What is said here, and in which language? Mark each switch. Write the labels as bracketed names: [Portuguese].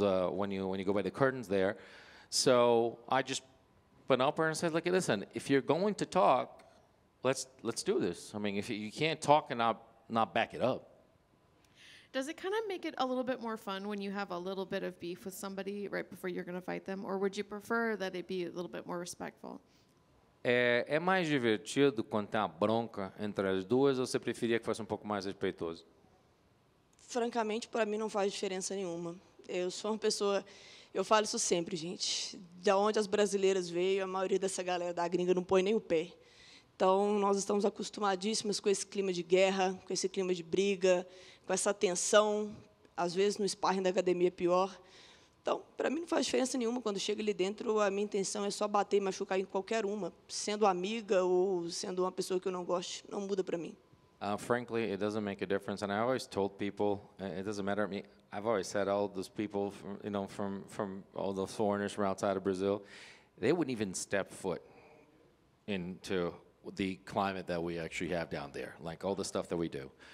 [English] When you go by the curtains there, so I just went up her and said, "Look, listen. If you're going to talk, let's do this. I mean, if you can't talk and not back it up." Does it kind of make it a little bit more fun when you have a little bit of beef with somebody right before you're going to fight them? Or would you prefer that it be a little bit more respectful? [Portuguese] É mais divertido quando tem uma bronca entre as duas ou você preferia que fosse pouco mais respeitoso? Francamente, para mim não faz diferença nenhuma. Eu sou uma pessoa... Eu falo isso sempre, gente. De onde as brasileiras veio, a maioria dessa galera da gringa não põe nem o pé. Então, nós estamos acostumadíssimos com esse clima de guerra, com esse clima de briga, com essa tensão, às vezes no sparring da academia é pior. Então, para mim não faz diferença nenhuma. Quando chega ali dentro, a minha intenção é só bater e machucar em qualquer uma, sendo amiga ou sendo uma pessoa que eu não gosto, não muda para mim. [English] Frankly, it doesn't make a difference, and I always told people, it doesn't matter to me. I've always said all those people, you know, from all the foreigners from outside of Brazil, they wouldn't even step foot into the climate that we actually have down there, like all the stuff that we do.